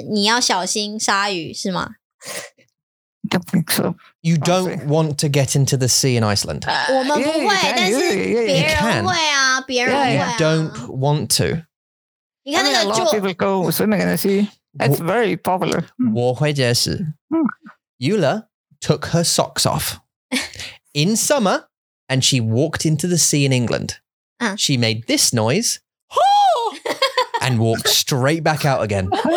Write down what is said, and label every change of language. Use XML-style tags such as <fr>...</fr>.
<zh>所以你可以进去海边游泳，但是你要小心鲨鱼，是吗？</zh> <en>Don't think so. You don't want to get into the sea in Iceland.</en> <zh>我们不会，但是别人会啊，别人会啊。</zh> <en>You don't want to. I mean, a lot of people go swimming in the sea. It's very popular.</en> <zh>我会解释。</zh> <en>Eula took her socks off in summer and she walked into the sea in England. She made this noise and walked straight back out again.</en>